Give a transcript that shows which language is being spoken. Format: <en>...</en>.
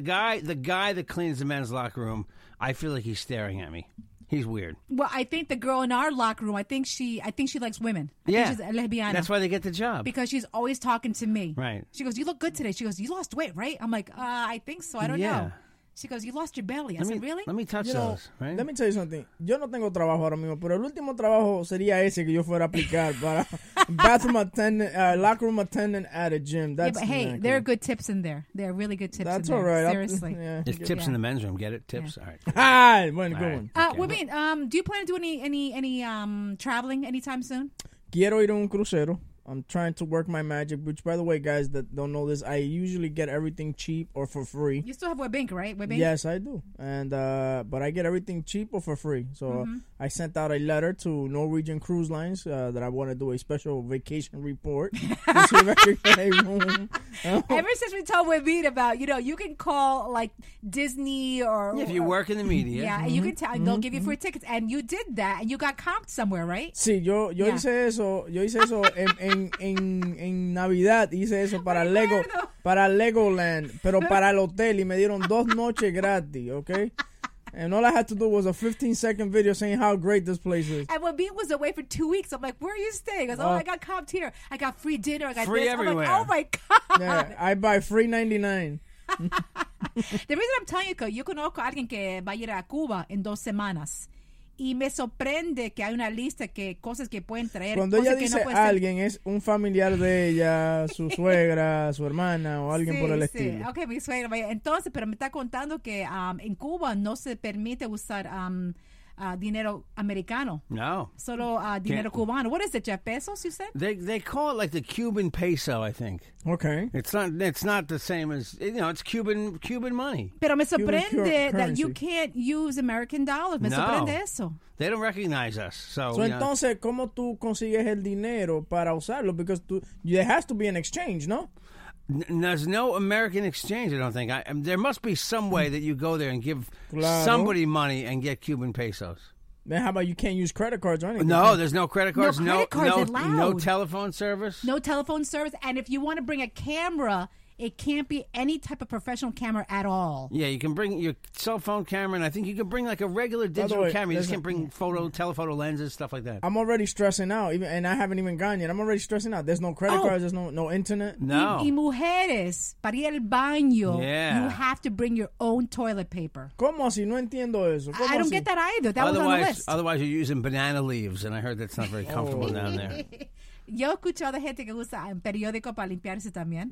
<en>The guy that cleans the men's locker room, I feel like he's staring at me. He's weird. Well, I think the girl in our locker room, I think she likes women. Yeah. She's a lesbiana. That's why they get the job. Because she's always talking to me. Right. She goes, you look good today. She goes, you lost weight, right? I'm like, I think so. I don't know. She goes, you lost your belly. I said, really? Let me touch you those. Know, right? Let me tell you something.</en> <es>Yo no tengo trabajo ahora mismo, pero el último trabajo sería ese que yo fuera a aplicar para</es> <en>bathroom attendant, locker room attendant at a gym. There are good tips in there. There are really good tips That's in there. That's all right. Seriously. It's tips in the men's room. Get it? Tips? Yeah. All right. Hi. When good one. Do you plan to do any traveling anytime soon?</en> <es>Quiero ir a un crucero.</es> <en>I'm trying to work my magic, which, by the way, guys that don't know this, I usually get everything cheap or for free. You still have Webank, right? Webank? Yes, I do. But I get everything cheap or for free. So I sent out a letter to Norwegian Cruise Lines that I want to do a special vacation report. Ever since we told Webank about, you know, you can call, like, Disney or... Yeah, if you work in the media. Yeah, and you can tell, and they'll give you free tickets. And you did that, and you got comped somewhere, right?</en> <es>Sí, yo hice eso en Navidad hice eso para Legoland, pero para el hotel, y me dieron dos noches gratis, okay?</es> <en>And all I had to do was a 15-second video saying how great this place is. And when Bean was away for 2 weeks, I'm like, where are you staying? I was like, I got comped here. I got free dinner. I got free this. Everywhere. I'm like, oh, my God. Yeah, I buy free 99. The reason I'm telling you, because</en> <es>yo conozco a alguien que va a ir a Cuba en dos semanas. Y me sorprende que hay una lista de cosas que pueden traer. Cuando ella dice que no alguien, es un familiar de ella, su suegra, su hermana o alguien estilo. Sí, ok, mi suegra. Vaya. Entonces, pero me está contando que en Cuba no se permite usar dinero americano. No. Solo dinero cubano.</es> <en>What is it, Jeff? ¿Pesos, you said? They call it like the Cuban peso, I think. Okay. It's not the same as, you know, it's Cuban money.</en> <es>Pero me sorprende</es> <en>that you can't use American dollars.</en> <es>Me sorprende eso.</es> <en>They don't recognize us. So</en> <es>entonces, ¿cómo tú consigues el dinero para usarlo?</es> <en>Because there has to be an exchange, no? There's no American exchange, I don't think. There must be some way that you go there and give somebody money and get Cuban pesos. Then how about you can't use credit cards or anything? No, there's no credit cards. No credit cards allowed. No telephone service. And if you want to bring a camera it can't be any type of professional camera at all. Yeah, you can bring your cell phone camera, and I think you can bring like a regular digital camera. You just can't bring telephoto lenses, stuff like that. I'm already stressing out, and I haven't even gone yet. I'm already stressing out. There's no credit cards. There's no internet. No.</en> <es>Y mujeres, para ir al baño,</es> <en>you have to bring your own toilet paper.</en> <es>¿Cómo así? No entiendo eso.</es> <en>I don't get that either. That otherwise, was on the list. Otherwise, you're using banana leaves, and I heard that's not very comfortable down there.</en> <es>Yo he escuchado gente que usa un periódico para limpiarse también.</es>